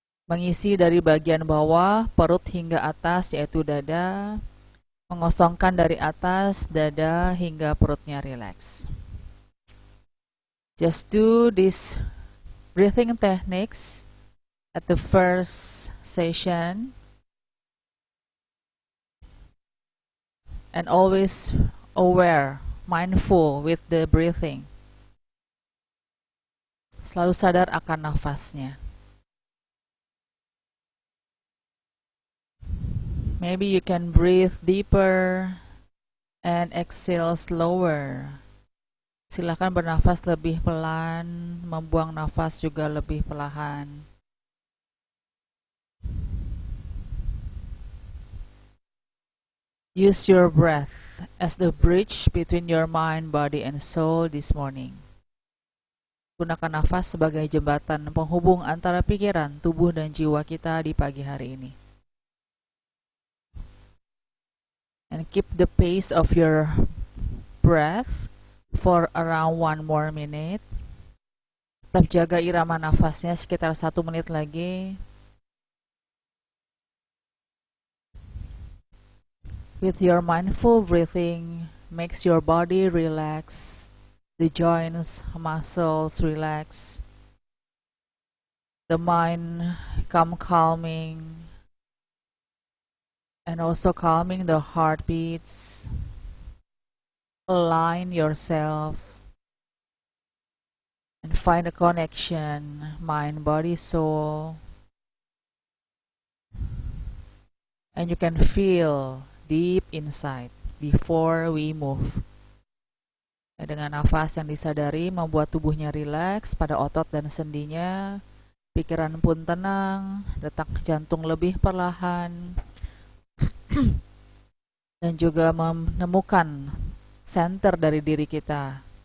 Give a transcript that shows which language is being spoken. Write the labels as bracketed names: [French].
[Indonesian] Mengisi dari bagian bawah, perut hingga atas, yaitu dada. Mengosongkan dari atas, dada, hingga perutnya relax. [English] Just do this breathing techniques at the first session. And always aware, mindful with the breathing. [Indonesian] Selalu sadar akan nafasnya. [English] Maybe you can breathe deeper and exhale slower. [Indonesian] Silakan bernafas lebih pelan, membuang nafas juga lebih perlahan. [English] Use your breath as the bridge between your mind, body, and soul this morning. [Indonesian] Gunakan nafas sebagai jembatan penghubung antara pikiran, tubuh, dan jiwa kita di pagi hari ini. [English] And keep the pace of your breath for around one more minute. [Indonesian] Tetap jaga irama nafasnya sekitar 1 menit lagi. [English] With your mindful breathing, makes your body relax, the joints, muscles relax, the mind come calming. And also calming the heartbeats, align yourself, and find a connection, mind, body, soul. And you can feel deep inside before we move. [Indonesian] Dengan nafas yang disadari membuat tubuhnya rileks pada otot dan sendinya. Pikiran pun tenang, detak jantung lebih perlahan. Dan juga menemukan center dari diri kita.